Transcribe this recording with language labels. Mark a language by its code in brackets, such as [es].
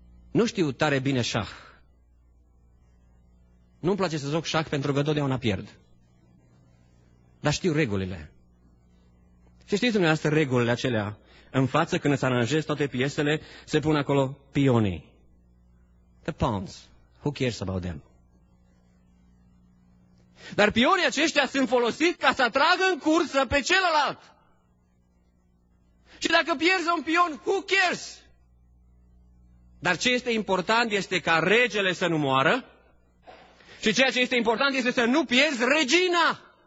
[ro] Nu știu tare bine șah. Nu-mi place să joc șah pentru că totdeauna pierd. Dar știu regulile. Și știți dumneavoastră regulile acelea? În față, când îți aranjezi toate piesele, se pun acolo pionii. [en] The pawns, who cares about them? [ro] Dar pionii aceștia sunt folosiți ca să atragă în cursă pe celălalt. Și dacă pierzi un pion, [en] who cares? [ro] Dar ce este important este ca regele să nu moară și ceea ce este important este să nu pierzi regina.